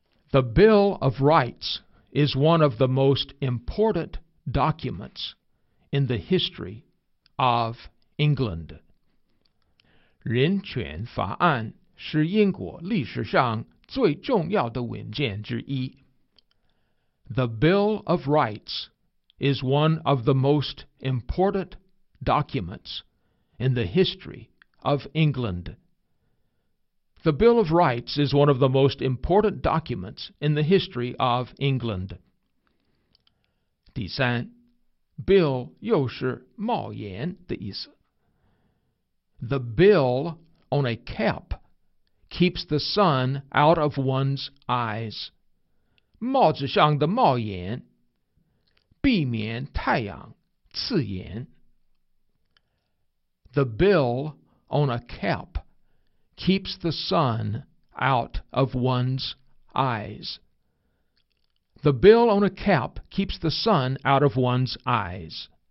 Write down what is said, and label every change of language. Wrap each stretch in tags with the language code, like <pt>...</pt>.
<en>The Bill of Rights is one of the most important documents in the history of England.</en> <zh>人权法案是英国历史上最重要的文件之一。</zh> <en>The Bill of Rights is one of the most important documents in the history of England. The Bill of Rights is one of the most important documents in the history of England.</en> <zh>第三。Bill 又是帽檐的意思。</zh> <en>The bill on a cap keeps the sun out of one's eyes.</en> <zh>帽子上的帽檐，避免太阳刺眼。</zh> <en>The bill on a cap keeps the sun out of one's eyes. The bill on a cap keeps the sun out of one's eyes.</en>